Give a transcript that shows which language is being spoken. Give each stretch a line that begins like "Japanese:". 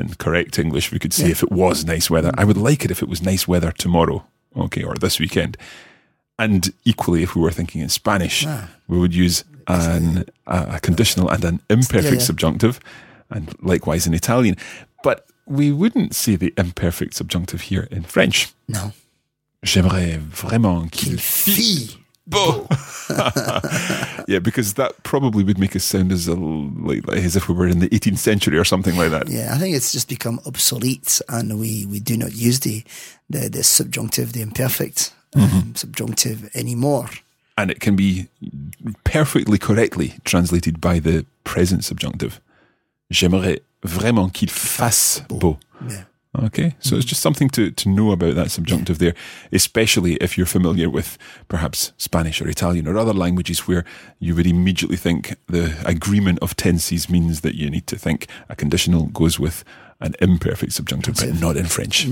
English: In correct English, we could say if it was nice weather. Mm-hmm. I would like it if it was nice weather tomorrow, okay, or this weekend. And equally, if we were thinking in Spanish, we would use a conditional and an imperfect subjunctive, and likewise in Italian. But we wouldn't see the imperfect subjunctive here in French. No.
French: J'aimerais vraiment qu'il fît beau.
English: Yeah, because that probably would make us sound as a, like as if we were in the 18th century or something like that. Yeah, I think it's just become obsolete, and we do not use the subjunctive, the imperfect subjunctive anymore. And it can be perfectly correctly translated by the present subjunctive.
French: J'aimerais vraiment qu'il fasse beau.
English: Yeah. Okay, so it's just something to know about that subjunctive there, especially if you're familiar with perhaps Spanish or Italian or other languages where you would immediately think the agreement of tenses means that you need to think a conditional goes with an imperfect subjunctive, but not in French.